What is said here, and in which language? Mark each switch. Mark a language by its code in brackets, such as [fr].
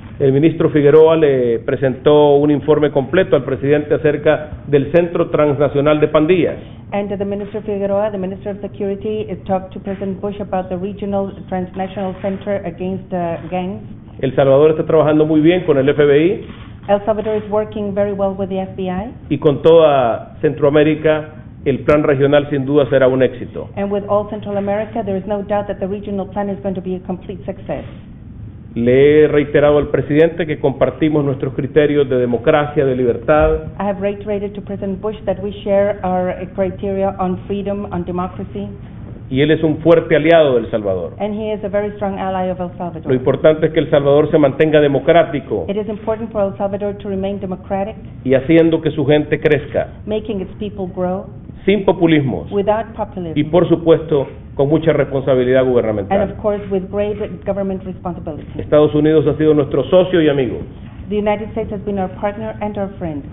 [es] El ministro Figueroa le presentó un informe completo al presidente acerca del Centro Transnacional de Pandillas. [en] And the Minister Figueroa, the Minister of Security, talked to President Bush about the Regional Transnational Center against gangs. [es] El Salvador está trabajando muy bien con el FBI. [en] El Salvador is working very well with the FBI. [es] Y con toda Centroamérica, el plan regional sin duda será un éxito. [en] And with all Central America, there is no doubt that the regional plan is going to be a complete success. [es] Le he reiterado al presidente que compartimos nuestros criterios de democracia, de libertad. [en] I have reiterated to President Bush that we share our criteria on freedom, on democracy. [es] Y él es un fuerte aliado del Salvador. [en] And he is a very strong ally of El Salvador. [es] Lo importante es que El Salvador se mantenga democrático. [en] It is important for El Salvador to remain democratic. [es] Y haciendo que su gente crezca. [en] Making its people grow. [es] Sin populismos. [en] Without populism. [es] Y por supuesto, con mucha responsabilidad gubernamental. [en] And of course with great government responsibility. [es] Estados Unidos ha sido nuestro socio y amigo. [en] The United States has been our partner and our friend.